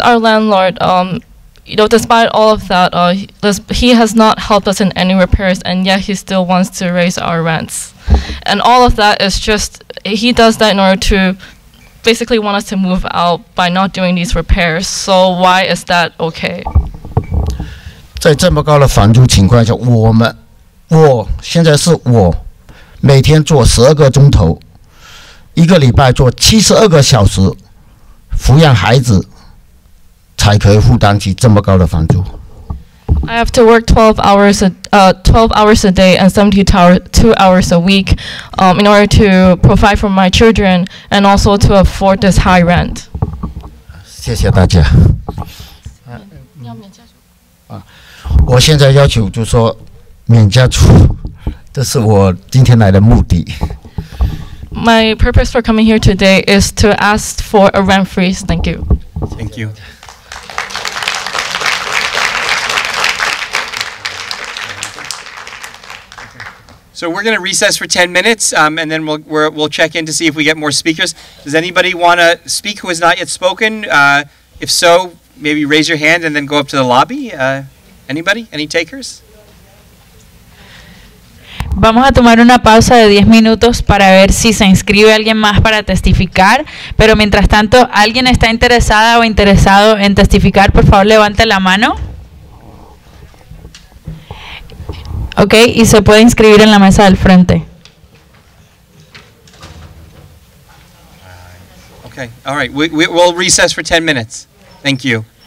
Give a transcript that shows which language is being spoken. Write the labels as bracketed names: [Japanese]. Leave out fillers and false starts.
[English] our landlord, despite all of that, he has not helped us in any repairs, and yet he still wants to raise our rents. And all of that is just, he does that in order to basically want us to move out by not doing these repairs. So why is that okay? [Chinese] 在这么高的房租情况下，我现在是我。每天做12个钟头，一个礼拜做72个小时，抚养孩子，才可以负担起这么高的房租。 [English] I have to work 12 hours a day and 72 hours a week in order to provide for my children and also to afford this high rent. [Chinese] 谢谢大家。 [English] My purpose for coming here today is to ask for a rent freeze. Thank you. Thank you. So we're going to recess for 10 minutes, and then we'll check in to see if we get more speakers. Does anybody want to speak who has not yet spoken? If so, maybe raise your hand and then go up to the lobby. Anybody? Any takers? [Spanish] Vamos a tomar una pausa de 10 minutos para ver si se inscribe alguien más para testificar. Pero mientras tanto, ¿alguien está interesada o interesado en testificar? Por favor, levante la mano. Ok, y se puede inscribir en la mesa del frente. [English] Ok, all right. We'll recess for 10 minutes. Thank you.